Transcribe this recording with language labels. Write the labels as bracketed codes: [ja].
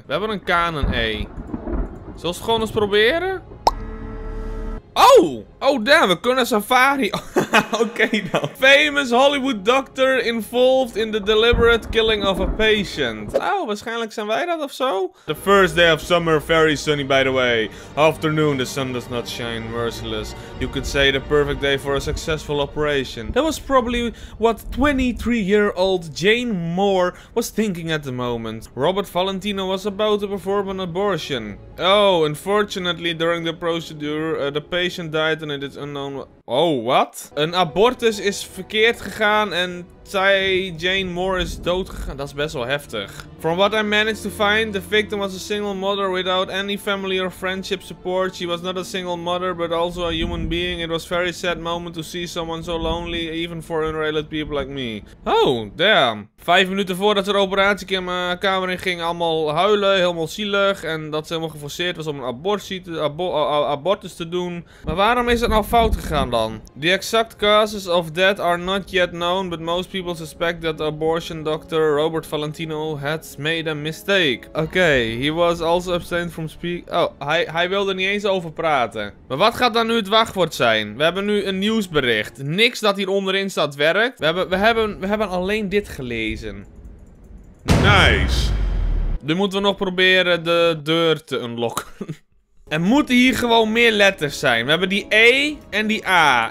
[nl] We hebben een K en een E. Zullen we het gewoon eens proberen? Oh! [en] Oh damn, [nl] we kunnen safari... Oké dan. [en] Famous Hollywood doctor involved in the deliberate killing of a patient. [nl] Oh, waarschijnlijk zijn wij dat of zo? [en] The first day of summer, very sunny by the way. Afternoon, the sun does not shine merciless. You could say the perfect day for a successful operation. That was probably what 23-year-old Jane Moore was thinking at the moment. Robert Valentino was about to perform an abortion. Oh, unfortunately, during the procedure, the patient died and it is unknown... Oh, what? [nl] Een abortus is verkeerd gegaan en zij, Jane Moore, is dood gegaan. Dat is best wel heftig. [en] From what I managed to find, the victim was a single mother without any family or friendship support. She was not a single mother, but also a human being. It was a very sad moment to see someone so lonely, even for unrelated people like me. Oh, damn. [nl] 5 minuten voordat ze de operatie in mijn kamer in ging, allemaal huilen, helemaal zielig. En dat ze helemaal geforceerd was om een abortus te doen. Maar waarom is het nou fout gegaan dan? [en] The exact causes of death are not yet known, but most people suspect that abortion doctor Robert Valentino had made a mistake. Oké, he was also abstained from speak... [nl] Oh, hij wilde niet eens over praten. Maar wat gaat dan nu het wachtwoord zijn? We hebben nu een nieuwsbericht. Niks dat hier onderin staat werkt. We hebben alleen dit gelezen. [en] Nice. [nl] Nu moeten we nog proberen de deur te unlocken. Er moeten hier gewoon meer letters zijn. We hebben die E en die A.